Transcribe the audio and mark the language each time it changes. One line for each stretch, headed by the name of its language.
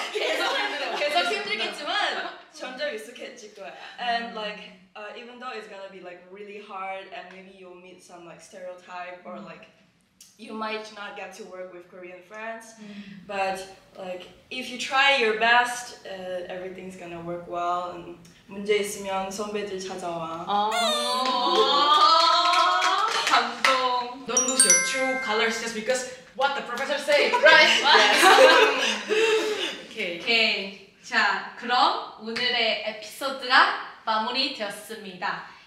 Korean: 계속 힘들겠지만 점점 익숙해질 거야.
English: And like even though it's gonna be like really hard and maybe you'll meet some like stereotype or like you might not get to work with Korean friends, but like if you try your best, everything's gonna work well.
Korean: And 문제 있으면 선배들 찾아와. 감동.
English: Don't lose your true colors just because what the professor say. Right. Okay. Okay.
Korean: 자, 그럼 오늘의 에피소드가 마무리되었습니다.